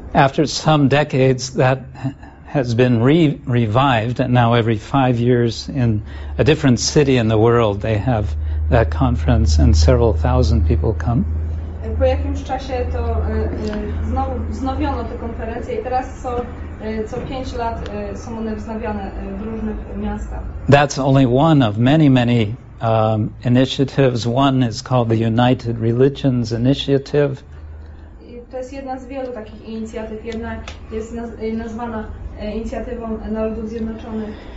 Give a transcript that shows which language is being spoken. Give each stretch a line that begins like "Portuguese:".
English: After some decades, that has been revived, and now every 5 years in a different city in the world, they have that conference, and several thousand people come.
Polish: Po jakimś czasie to znowu wznowiono tę konferencję i teraz co 5 lat są one wznawiane w różnych miastach.
English: That's only one of many, many initiatives. One is called the United Religions Initiative.
Polish: To jest jedna z wielu takich inicjatyw. Jedna jest nazwana Inicjatywą Narodów Zjednoczonych.